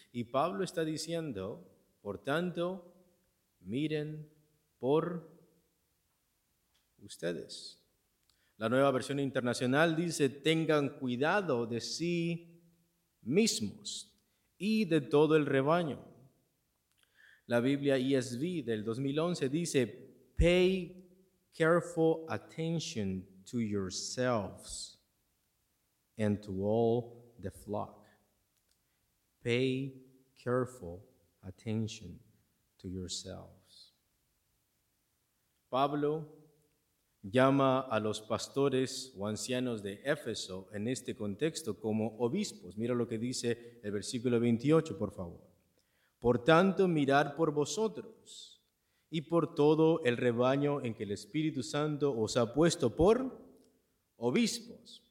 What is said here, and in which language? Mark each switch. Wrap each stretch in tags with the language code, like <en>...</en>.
<es>Y Pablo está diciendo, por tanto, miren por ustedes. La Nueva Versión Internacional dice, tengan cuidado de sí mismos y de todo el rebaño. La Biblia ESV del 2011 dice,</es> <en>pay careful attention to yourselves and to all the flock. Pay careful attention to yourselves.</en> <es>Pablo llama a los pastores o ancianos de Éfeso en este contexto como obispos. Mira lo que dice el versículo 28, por favor. Por tanto, mirad por vosotros y por todo el rebaño en que el Espíritu Santo os ha puesto por obispos.</es>